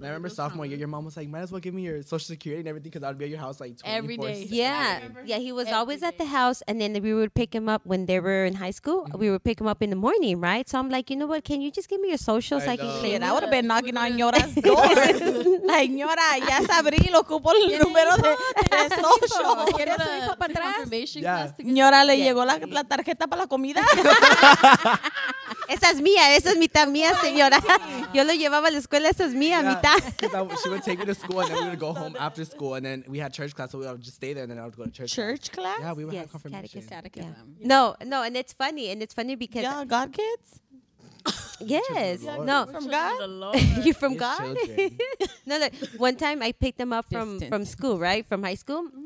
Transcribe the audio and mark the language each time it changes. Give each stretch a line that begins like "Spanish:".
English: I remember sophomore year, your mom was like, might as well give me your social security and everything because I'd be at your house like 24/7. Every day. Yeah, he was always at the house, and then we would pick him up when they were in high school. Mm-hmm. We would pick him up in the morning, right? So I'm like, you know what? Can you just give me your social so I can clear? I would have been knocking on Ñora's door.
Spanish: Like, Ñora, ya sabrí, lo ocupo el número de Señora, le llegó la tarjeta para la comida. Esa es mía, esa es mitad mía, señora. Yo lo llevaba a la escuela, esa es mía, mitad.
English: She would take me to school and then we would go home after school and then we had church class, so we would just stay there and then I would go to church. Church class? Yeah, we would have confirmation. Catechism. No, and it's funny. And it's funny because y'all got kids? Yes. No. You're from God? You're from God? No, look. One time I picked them up from school, right? From high school. Mm-hmm.